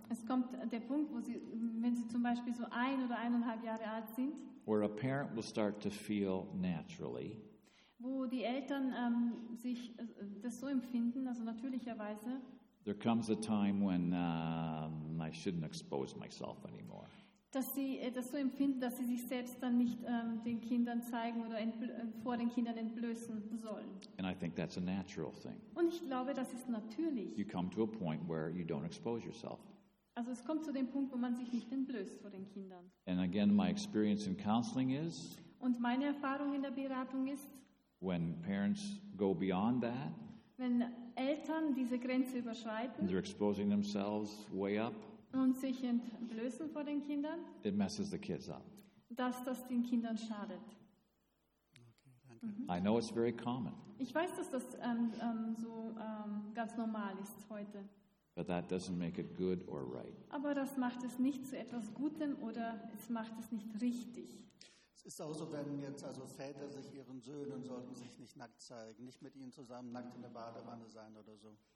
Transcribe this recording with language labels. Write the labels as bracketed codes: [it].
[de] Es kommt der Punkt, wo sie, wenn sie zum Beispiel so 1 oder 1.5 Jahre alt sind, [en] where a parent will start to feel naturally, [de] wo die Eltern sich das so empfinden, also natürlicherweise, [en] there comes a time when I shouldn't expose myself anymore. [de] Dass sie das so empfinden, dass sie sich selbst dann nicht den Kindern zeigen oder vor den Kindern entblößen sollen. [en] And I think that's a natural thing. [de] Und ich glaube, das ist natürlich. [en] You come to a point where you don't expose yourself. [de] Also es kommt zu dem Punkt, wo man sich nicht entblößt vor den Kindern. [en] And again, my experience in counseling is, [de] und meine Erfahrung in der Beratung ist, [en] when parents go beyond that, [de] wenn Eltern diese Grenze überschreiten, [en] they're exposing themselves way up, [de] und sich entblößen vor den Kindern, [en] it messes the kids up. [de] Dass das den Kindern schadet. Okay, danke. [en] Mhm. I know it's very common. [de] Ich weiß, dass das ganz normal ist heute. [en] But that doesn't make it good or right. [de] Aber das macht es nicht zu etwas Gutem oder es macht es nicht richtig. Es ist auch so, wenn jetzt also Väter sich ihren Söhnen sollten sich nicht nackt zeigen, nicht mit ihnen zusammen nackt in der Badewanne sein oder so.